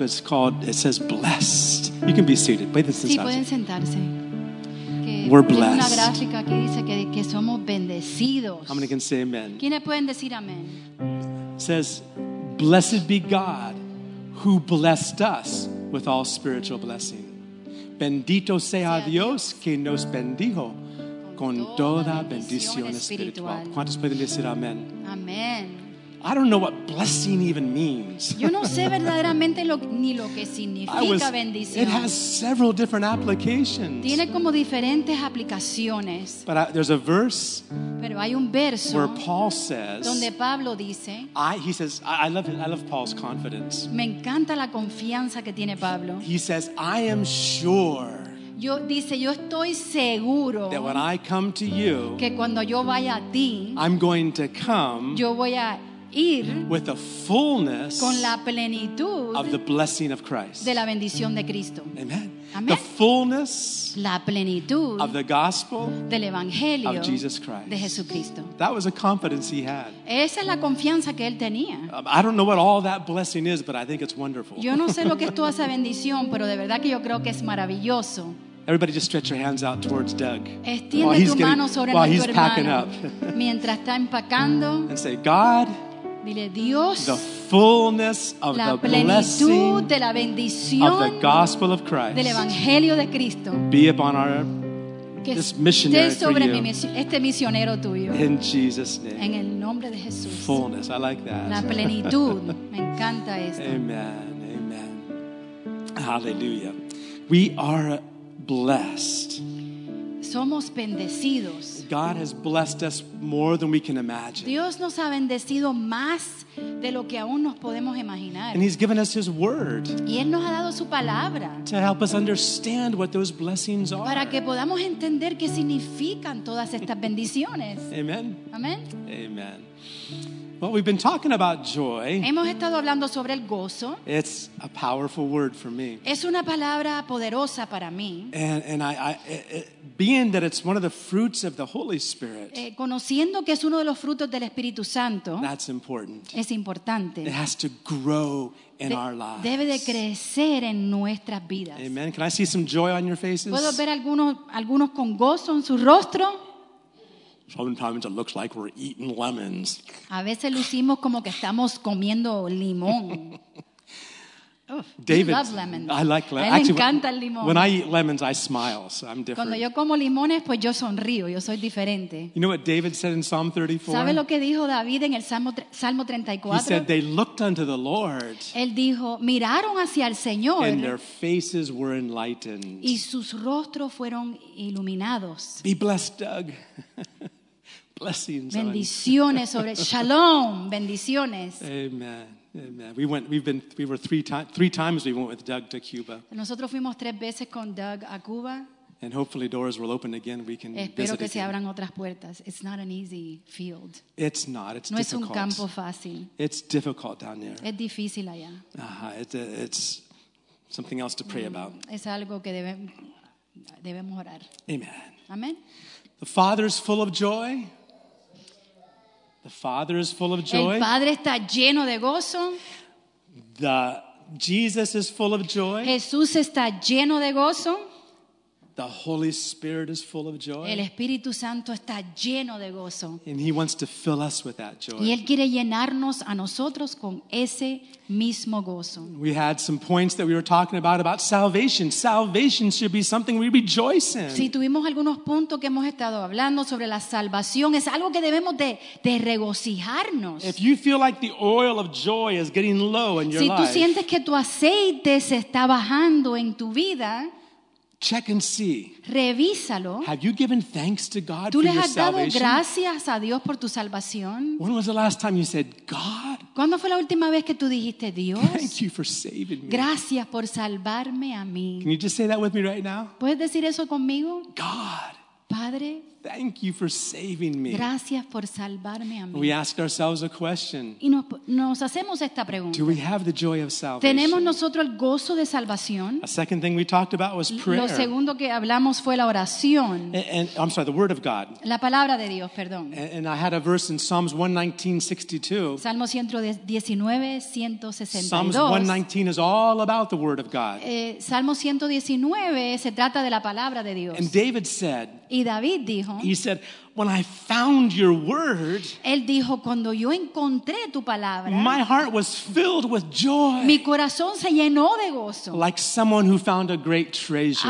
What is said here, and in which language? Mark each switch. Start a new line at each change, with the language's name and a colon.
English: It's called, it says blessed. You can be seated. Wait, this is
Spanish: sí, pueden sentarse.
English: We're blessed.
Spanish: Una gráfica que dice que somos bendecidos.
English: How many can say amen?
Spanish: ¿Quiénes pueden decir amen?
English: It says, blessed be God who blessed us with all spiritual blessing.
Spanish: Bendito sea Dios que nos bendijo con toda bendición espiritual. ¿Cuántos pueden decir amen? Amen.
English: I don't know what blessing even means.
Spanish: Yo no sé verdaderamente ni lo que significa bendición.
English: It has several different applications.
Spanish: Tiene como diferentes aplicaciones.
English: But there's a verse.
Spanish: Pero hay un verso
English: where Paul says.
Spanish: Donde Pablo dice.
English: I love Paul's confidence.
Spanish: Me encanta la confianza que tiene Pablo.
English: He says, I am sure.
Spanish: Yo dice, yo estoy seguro
English: that when I come to you,
Spanish: que cuando yo vaya a ti,
English: I'm going to come.
Spanish: Yo voy a
English: with the fullness
Spanish: con la plenitud
English: of the blessing of Christ.
Spanish: De la bendición de Cristo. Amen. Amen.
English: The fullness
Spanish: la plenitud
English: of the gospel
Spanish: del evangelio
English: of Jesus Christ.
Spanish: De Jesucristo.
English: That was a confidence he had.
Spanish: Esa es la confianza que él tenía.
English: I don't know what all that blessing is, but I think it's wonderful.
Spanish: Yo no sé lo que es toda esa bendición, pero de verdad que yo creo que es maravilloso.
English: Everybody just stretch your hands out towards Doug while he's packing up.
Spanish: Mientras está empacando.
English: And say, God,
Spanish: dile, Dios,
English: the fullness of
Spanish: la
English: the blessing
Spanish: de la bendición
English: of the gospel of Christ
Spanish: del evangelio de Cristo
English: be upon our
Spanish: que
English: this missionary
Spanish: sobre
English: for you.
Spanish: Este misionero tuyo.
English: In Jesus' name.
Spanish: En el nombre de Jesús.
English: Fullness, I like that.
Spanish: La plenitud. Me encanta esto.
English: Amen, amen. Hallelujah. We are blessed.
Spanish: Somos bendecidos.
English: God has blessed us more than we can imagine.
Spanish: Dios nos ha bendecido más de lo que aún nos podemos imaginar.
English: And he's given us his word.
Spanish: Y él nos ha dado su palabra.
English: To help us understand what those blessings are.
Spanish: Para que podamos entender qué significan todas estas bendiciones. Amen. Amen.
English: Amen. Well, we've been talking about joy.
Spanish: Hemos estado hablando sobre el gozo.
English: It's a powerful word for me.
Spanish: Es una palabra poderosa para mí.
English: And being that it's one of the fruits of the Holy Spirit.
Spanish: Conociendo que es uno de los frutos del Espíritu Santo.
English: That's important.
Spanish: Es importante.
English: It has to grow in our lives.
Spanish: Debe de crecer en nuestras vidas. Amen.
English: Can I see some joy on your faces?
Spanish: ¿Puedo ver algunos con gozo en su rostro?
English: Sometimes it looks like we're eating lemons.
Spanish: A veces lucimos como que estamos comiendo limón.
English: David, love lemons. I like lemons.
Spanish: Él actually, encanta el limón.
English: When I eat lemons, I smile, so I'm different.
Spanish: Cuando yo como limones, pues yo sonrío, yo soy diferente.
English: You know what David said in Psalm 34?
Spanish: ¿Sabe lo que dijo David en el Salmo 34?
English: He said, they looked unto the Lord.
Spanish: Él dijo, miraron hacia el Señor.
English: And their faces were enlightened.
Spanish: Y sus rostros fueron iluminados.
English: Be blessed, Doug. Blessings.
Spanish: Bendiciones sobre Shalom. Bendiciones. Amen. Amen.
English: We were three times we went with Doug to Cuba.
Spanish: Nosotros fuimos tres veces con Doug a Cuba.
English: And hopefully doors will open again. We can visit.
Spanish: Espero que se abran otras puertas.
English: It's not an easy field. It's not. It's
Spanish: no
English: difficult.
Spanish: No es un campo fácil.
English: It's difficult down there.
Spanish: Es difícil allá.
English: It's something else to pray about.
Spanish: Es algo que debemos orar. Amen. Amen.
English: The Father is full of joy. The Father is full of joy.
Spanish: El Padre está lleno de gozo.
English: The Jesus is full of joy.
Spanish: Jesús está lleno de gozo.
English: The Holy Spirit is full of joy.
Spanish: El Espíritu Santo está lleno de gozo.
English: And he wants to fill us with that joy.
Spanish: Y él quiere llenarnos a nosotros con ese mismo gozo.
English: We had some points that we were talking about salvation. Salvation should be something we rejoice in.
Spanish: Sí, tuvimos algunos puntos que hemos estado hablando sobre la salvación. Es algo que debemos de regocijarnos.
English: If you feel like the oil of joy is getting low in your life.
Spanish: Si tú sientes que tu aceite se está bajando en tu vida.
English: Check and see.
Spanish: Revísalo.
English: Have you given thanks to God for
Spanish: ¿Tú le has dado gracias a Dios por tu salvación?
English: When was the last time you said, God?
Spanish: ¿Cuándo fue la última vez que tú dijiste, Dios?
English: Thank you for saving me.
Spanish: Gracias por salvarme a mí.
English: Can you just say that with me right now?
Spanish: ¿Puedes decir eso conmigo?
English: God.
Spanish: Padre.
English: Thank you for saving me.
Spanish: Gracias por salvarme a mí.
English: We ask ourselves a question.
Spanish: Y nos hacemos esta pregunta.
English: Do we have the joy of salvation?
Spanish: ¿Tenemos nosotros el gozo de salvación?
English: A second thing we talked about was prayer.
Spanish: Lo segundo que hablamos fue la oración.
English: And I'm sorry, the word of God.
Spanish: La palabra de Dios, perdón.
English: And I had a verse in Psalms 119:162.
Spanish: Salmo 119:162.
English: Psalms 119 is all about the word of God.
Spanish: Salmo 119 se trata de la palabra de Dios.
English: And David said.
Spanish: Y David dijo.
English: He said, when I found your word,
Spanish: él dijo, cuando yo encontré tu palabra,
English: my heart was filled with joy.
Spanish: Mi corazón se llenó de gozo.
English: Like someone who found a great treasure.